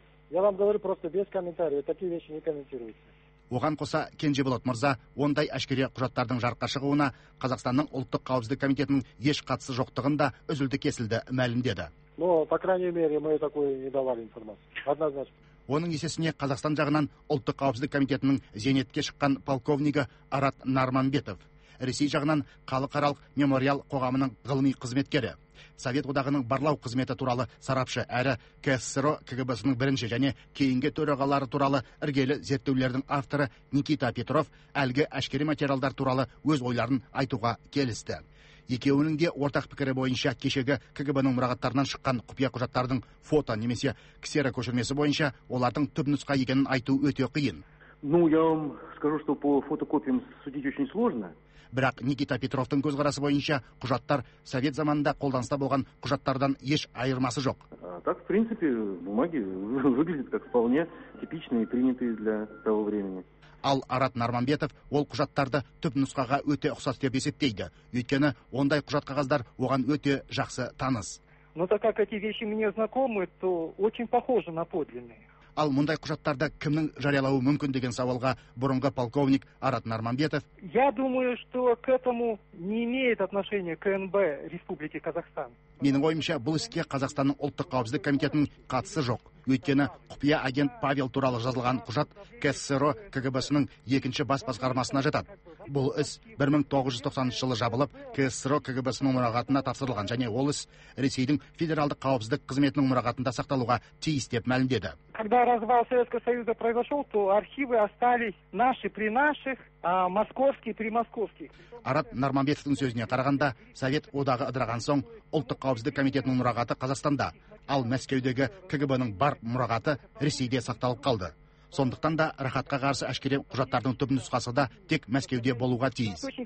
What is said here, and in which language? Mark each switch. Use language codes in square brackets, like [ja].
[ru] Я вам говорю просто без комментариев, такие вещи не комментируются. [kk] Оған қоса Кенжеболат мырза, ондай әшкере құжаттардың жарыққа шығуына Қазақстанның ұлттық қауіпсіздік комитетінің еш қатысы жоқтығын да үзілді-кесілді мәлімдеді. [ru] Но, по крайней мере, мы такой не давали информацию. Однозначно. [kk] Оның есесіне Қазақстан жағынан ұлттық қауіпсіздік комитетінің зейнетке шыққан полковнигі Арат Нарманбетов, Ресей жағынан халықаралық мемориал қоғамының ғылыми қызметкері, Совет одағының барлау қызметі туралы сарапшы әрі КСРО КГБ-сының бірінші және кейінгі төрағалары туралы іргелі зерттеулердің авторы Никита Петров әлгі әшкере материалдар туралы өз ойларын айтуға келісті. Екеуінің де ортақ пікірі бойынша кешегі КГБ-ның мұрағаттарынан шыққан құпия құжаттардың фото немесе ксеро көшірмесі бойынша олардың түпнұсқа екенін айту өте қиын. [ru] Я вам скажу, что по фотокопиям судить очень сложно. [kk] Бірақ Никита Петровтың көзқарасы бойынша құжаттар совет заманында қолданыста болған құжаттардан еш айырмасы жоқ. [ru] Так, в принципе, бумаги выглядят как вполне типичные и принятые для того времени. [kk] Ал Арат Нарманбетов ол құжаттарды түп нұсқаға өте ұқсас деп есептейді. Өйткені ондай құжат қағаздар оған өте жақсы таныс. [ru] Но так как эти вещи мне знакомы, то очень похожи на подлинные. [kk] Ал мұндай құжаттарды кімнің жариялауы мүмкін деген сауалға бұрынғы полковник Арат Нарманбетов. [ru] Я думаю, что к этому не имеет отношения КНБ Республики Казахстан. [kk] Менің ойымша, бұл іске Қазақстанның ұлттық қауіпсіздік комитетінің қатысы жоқ. Өйткені құпия агент Павел туралы жазылған құжат КССРО КГБ-сының екінші бас басқармасына жатады. Бұл іс 1990 жылы жабылып, КССРО КГБ-сының мұрағатына тапсырылған және ол іс Ресейдің федералдық қауіпсіздік қызметінің мұрағатында сақталуға тиіс деп мәлімдеді. [ru] Когда развал Советского Союза произошел, то архивы остались наши при наших, а московские при московских. [kk] Арат Нарманбетовтың сөзіне қарағанда, Совет одағы ыдыраған соң ұлттық қауіпсіздік комитетінің мұрағаты Қазақстанда, ал Мәскеудегі КГБ-ның бар мұрағаты Ресейде сақталып қалды. Сондықтан да рахатқа қарсы әшкере құжаттардың түп нұсқасы да тек Мәскеуде болуға тиіс.